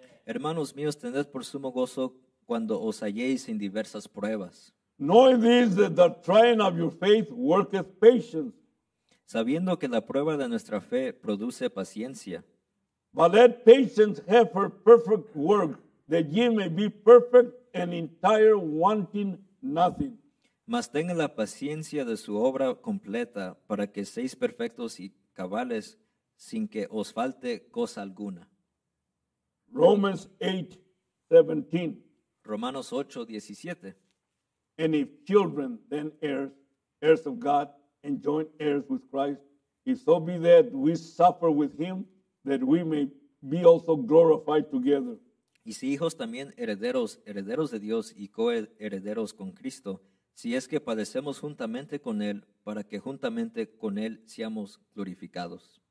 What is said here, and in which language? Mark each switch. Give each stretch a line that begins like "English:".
Spanish: Hermanos míos, tened por sumo gozo cuando os halléis en diversas pruebas.
English: Knowing this, that the trying of your faith worketh patience.
Spanish: Sabiendo que la prueba de nuestra fe produce paciencia.
English: But let patience have her perfect work, that ye may be perfect and entire, wanting nothing.
Spanish: Mas tenga la paciencia de su obra completa, para que seáis perfectos y cabales, sin que os falte cosa alguna.
English: Romans 8:17.
Spanish: Romanos 8:17.
English: And if children, then heirs of God, and joint heirs with Christ, if so be that we suffer with him, that we may be also glorified together.
Spanish: Y si hijos también herederos de Dios y coherederos con Cristo, si es que padecemos juntamente con Él, para que juntamente con Él seamos glorificados.